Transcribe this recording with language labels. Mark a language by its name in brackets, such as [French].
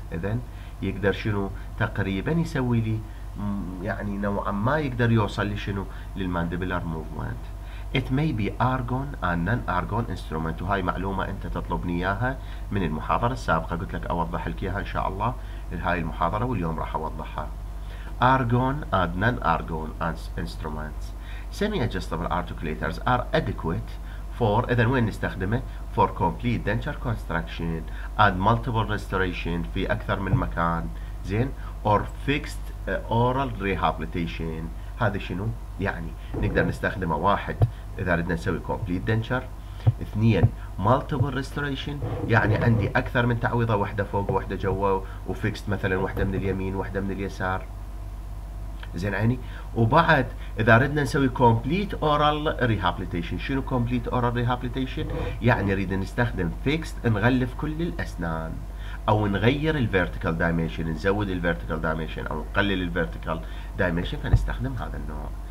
[Arabic] اذا يقدر شنو؟ تقريبا يسوي لي يعني نوعا ما يقدر يوصل لي شنو؟ للمانديبلر موفمنت. [English] It may be argon and non-argon instrument. [Arabic] وهاي معلومة أنت تطلبني إياها من المحاضرة السابقة، قلت لك أوضح لك إياها إن شاء الله لهاي المحاضرة، واليوم راح أوضحها. [English] Argon and non-argon instruments. Semi-adjustable articulators are adequate for، [Arabic] إذا وين نستخدمه؟ [English] For complete denture construction and multiple restoration [Arabic] في أكثر من مكان. زين، [English] or fixed oral rehabilitation. [Arabic] هذا شنو؟ يعني نقدر نستخدمه واحد اذا ردنا نسوي كومبليت دنشر، اثنين مالتيبل ريستوريشن يعني عندي اكثر من تعويضه، واحده فوق واحده جوا، وفيكست مثلا واحده من اليمين واحده من اليسار. زين عيني، وبعد اذا ردنا نسوي كومبليت اورال ريهابليتيشن، شنو كومبليت اورال ريهابليتيشن؟ يعني نريد نستخدم فيكست نغلف كل الاسنان، او نغير الفيرتيكال دايمنشن، نزود الفيرتيكال دايمنشن او نقلل الفيرتيكال دايمنشن، فنستخدم هذا النوع.